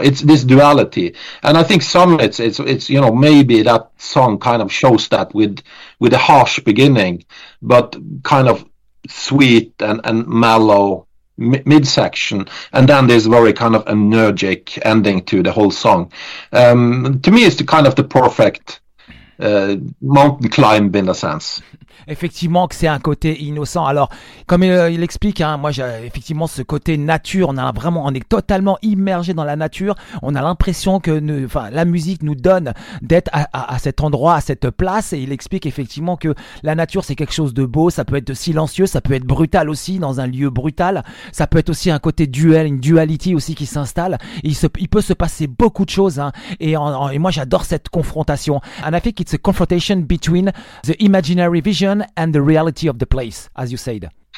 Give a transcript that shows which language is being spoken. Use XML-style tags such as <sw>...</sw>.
<en>It's this duality, and I think Summits, it's you know, maybe that song kind of shows that with a harsh beginning but kind of sweet and mellow midsection, and then there's very kind of energetic ending to the whole song. To me, it's the kind of the perfect mountain climb in a sense.</en> <fr>Effectivement que c'est un côté innocent. Alors, comme il explique, hein, moi, j'ai effectivement ce côté nature. On est totalement immergé dans la nature. On a l'impression que la musique nous donne d'être à cet endroit, à cette place. Et il explique effectivement que la nature, c'est quelque chose de beau. Ça peut être silencieux. Ça peut être brutal aussi, dans un lieu brutal. Ça peut être aussi un côté duel, une duality aussi qui s'installe. Il peut se passer beaucoup de choses. Hein, et moi, j'adore cette confrontation.</fr> <en>And I think it's a confrontation between the imaginary vision and the reality of the place, as you said.</en>